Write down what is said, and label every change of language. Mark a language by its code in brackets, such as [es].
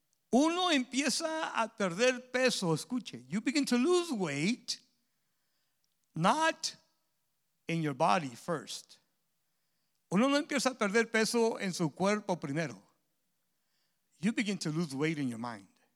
[es] Uno empieza a perder peso, escuche. [en] You begin to lose weight, not in your body first. [es] Uno no empieza a perder peso en su cuerpo primero. [en] You begin to lose weight in your mind.